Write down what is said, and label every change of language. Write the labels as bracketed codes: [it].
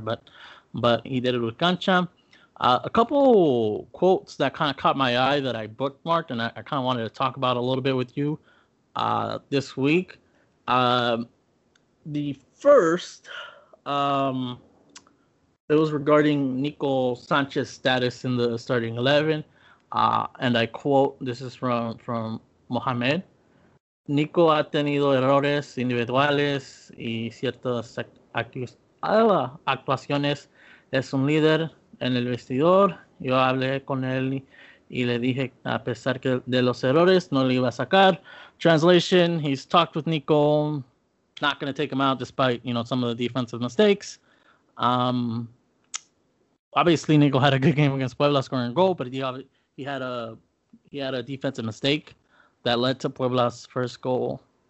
[en] But he did it with Cancha. A couple quotes that kind of caught my eye that I bookmarked, and I kind of wanted to talk about a little bit with you this week. The first, it was regarding Nico Sanchez's status in the starting 11. And I quote, this is from Mohamed. [es] Nico ha tenido errores individuales y ciertas actuaciones. Es un líder en el vestidor. Yo hablé con él y le dije, a pesar que de los errores, no le iba a sacar. [en] Translation, he's talked with Nico. Not going to take him out despite, you know, some of the defensive mistakes. Obviously, Nico had a good game against Puebla scoring a goal, but he had a defensive mistake that led to Puebla's first goal.